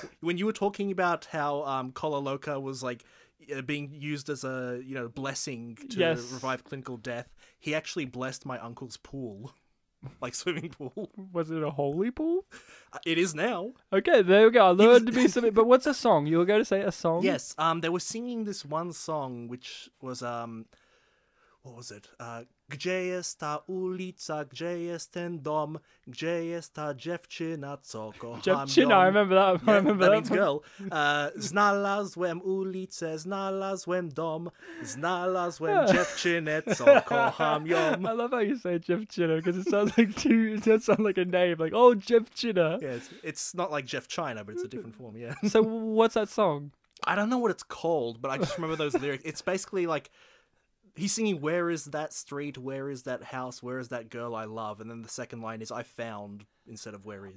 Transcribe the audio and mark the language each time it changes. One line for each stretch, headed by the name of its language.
English: When you were talking about how Kola Loka was like being used as a, you know, blessing to revive clinical death, he actually blessed my uncle's pool, like swimming pool. Was it a holy pool? It is now. Okay, there we go. I learned to be something. But what's a song? You were going to say a song? Yes. They were singing this one song, which was, what was it?
Polish: Gdzie jest ta ulica? Gdzie jest ten dom? Gdzie jest ta dziewczyna, co kocham?
English: Dziewczyna, I remember that. Yeah, that means girl.
Polish: Znalazłem ulicę, znalazłem dom, znalazłem dziewczynę, co kocham ją.
English: I love how you say dziewczyna, because it sounds like two, it does sound like a name, like, oh, dziewczyna. Yes, yeah, it's not like Jeff China, but it's a different form, yeah. So what's that song? I don't know what it's called, but I just remember those lyrics. It's basically like, he's singing, where is that street, where is that house, where is that girl I love? And then the second line is, I found, instead of where is.